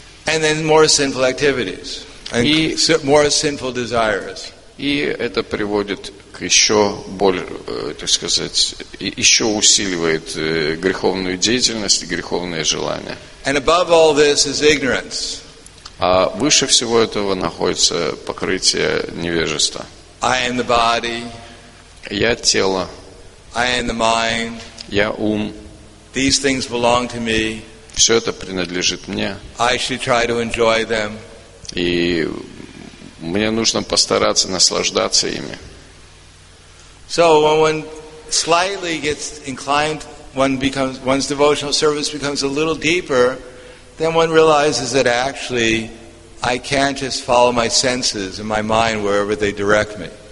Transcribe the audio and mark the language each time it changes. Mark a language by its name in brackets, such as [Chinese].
[English] and then more sinful activities, and [Russian] и [English] more sinful desires. [Russian] И это приводит к еще более, так сказать, еще усиливает греховную деятельность и греховные желания. [English] And above all this is ignorance. [Russian] А выше всего этого находится покрытие невежества. [English] I am the body. [Russian] Я тело. [English] I am the mind. [Russian] Я ум. [English] These things belong to me. [Russian] Все это принадлежит мне. [English] I should try to enjoy them. [Russian] И мне нужно постараться наслаждаться ими. [English] So when one slightly gets inclined, one's devotional service becomes a little deeper, then one realizes that actually I can't just follow my senses and my mind wherever they direct me.